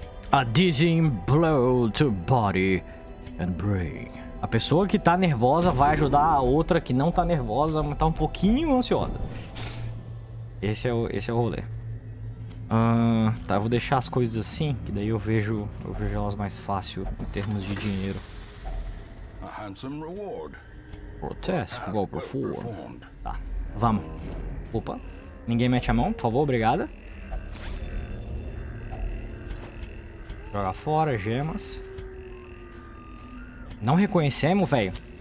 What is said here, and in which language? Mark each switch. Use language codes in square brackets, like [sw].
[en] A dizzying blow to body and brain. [pt] A pessoa que tá nervosa vai ajudar a outra que não tá nervosa, mas tá um pouquinho ansiosa. Esse é o rolê. Tá, vou deixar as coisas assim, que daí eu vejo elas mais fácil em termos de dinheiro. [en] A handsome reward. Grotesque, well performed. [pt] Tá, vamos. Opa, ninguém mete a mão, por favor, obrigada. Joga fora, gemas. Não reconhecemos, velho.